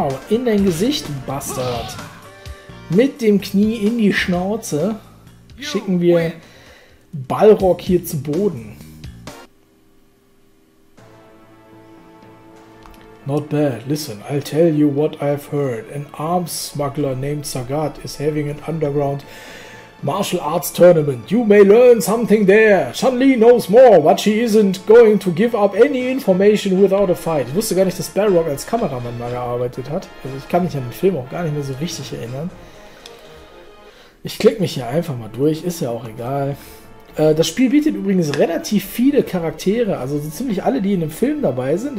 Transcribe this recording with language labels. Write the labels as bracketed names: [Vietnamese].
[German] In dein Gesicht, Bastard. Mit dem Knie in die Schnauze schicken wir Balrog hier zu Boden. [English] Not bad. Listen, I'll tell you what I've heard. An arms smuggler named Sagat is having an underground martial arts tournament. You may learn something there. Chun-Li knows more, but she isn't going to give up any information without a fight. [German] Ich wusste gar nicht, dass Balrog als Kameramann mal gearbeitet hat. Also ich kann mich an den Film auch gar nicht mehr so richtig erinnern. Ich klicke mich hier einfach mal durch, ist ja auch egal. Das Spiel bietet übrigens relativ viele Charaktere, also so ziemlich alle, die in dem Film dabei sind.